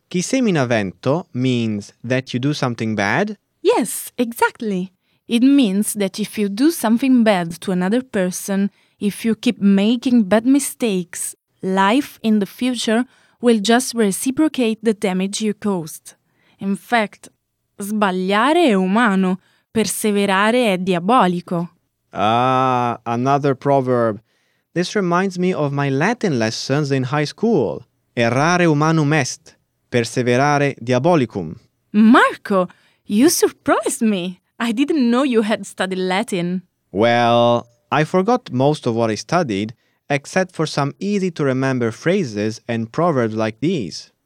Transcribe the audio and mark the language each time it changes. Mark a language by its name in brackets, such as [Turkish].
[Italian] Chi semina vento [English] means that you do something bad? Yes, exactly. It means that if you do something bad to another person, if you keep making bad mistakes, life in the future will just reciprocate the damage you caused. In fact, [Italian] sbagliare è umano, perseverare è diabolico. [English] Ah, another proverb. This reminds me of my Latin lessons in high school. [Latin] Errare humanum est, perseverare diabolicum. [English] Marco, you surprised me. I didn't know you had studied Latin. Well, I forgot most of what I studied, except for some easy-to-remember phrases and proverbs like these.